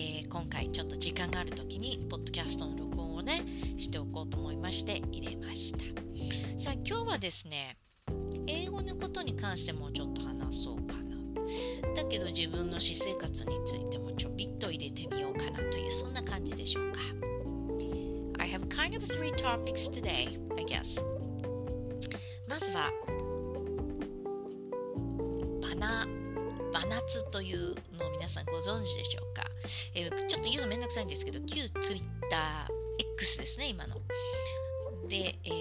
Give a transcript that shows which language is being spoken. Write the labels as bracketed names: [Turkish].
[Japanese] 今回ちょっと時間があるときにポッドキャストの録音をねしておこうと思いまして入れました。さあ今日はですね、英語のことに関してもちょっと話そうかな、だけど自分の私生活についてもちょびっと入れてみようかなという、そんな感じでしょうか。 [English] I have kind of three topics today, I guess. [Japanese] まずはバナツというのを皆さんご存知でしょうか。ちょっと言うのめんどくさいんですけど、旧 TwitterX ですね、今ので。